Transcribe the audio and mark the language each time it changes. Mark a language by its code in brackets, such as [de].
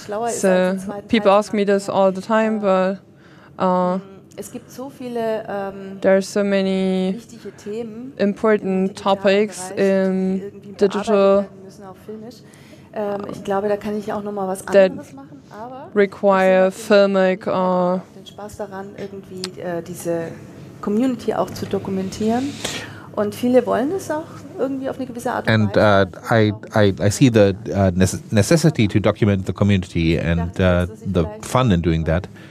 [en] So people ask me this all the time, but there are so many important topics in digital that require filmic [de] daran irgendwie diese Community auch zu dokumentieren und viele wollen es auch irgendwie auf eine gewisse Art und Weise. [en] I see the necessity to document the community and the fun in doing that.